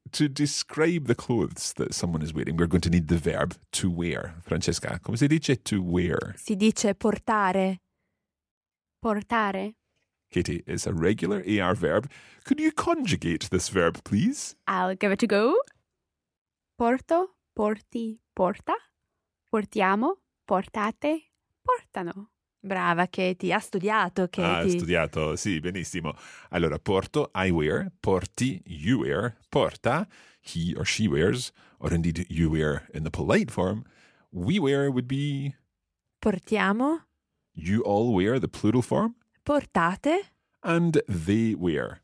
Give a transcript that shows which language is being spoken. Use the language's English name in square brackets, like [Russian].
[English] To describe the clothes that someone is wearing, we're going to need the verb to wear. [Italian] Francesca, come si dice [English] to wear? [Italian] Si dice portare. Portare. [English] Katie, it's a regular AR verb. Could you conjugate this verb, please? I'll give it a go. [Italian] Porto, porti, porta. Portiamo, portate, portano. Brava Katie, ha studiato Katie. Ha studiato, sì, benissimo. Allora, porto, [English] I wear, porti, you wear, porta, he or she wears, or indeed you wear in the polite form, we wear would be... [Italian] Portiamo. [English] You all wear, the plural form. [Italian] Portate. [English] And they wear.